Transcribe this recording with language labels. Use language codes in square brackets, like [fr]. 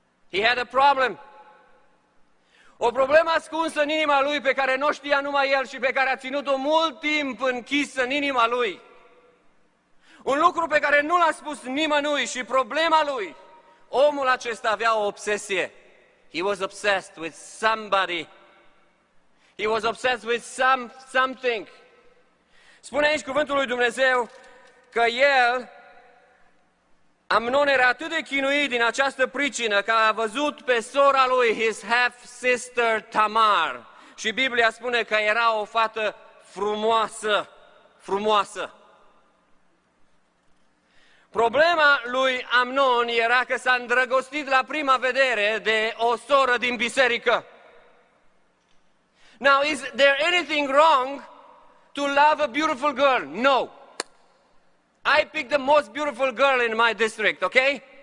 [en] He had a problem. [ro] O problemă ascunsă în inima lui, pe care nu știa numai el și pe care a ținut-o mult timp închisă în inima lui. Un lucru pe care nu l-a spus nimănui și problema lui. Omul acesta avea o obsesie. [en] He was obsessed with somebody. He was obsessed with something. [ro] Spune aici cuvântul lui Dumnezeu că el, Amnon, era atât de chinuit din această pricină că a văzut pe sora lui, [en] his half-sister [ro] Tamar. Și Biblia spune că era o fată frumoasă, frumoasă. Problema lui Amnon era că s-a îndrăgostit la prima vedere de o soră din biserică. [en] Now, is there anything wrong to love a beautiful girl? No. I picked the most beautiful girl in my district, okay?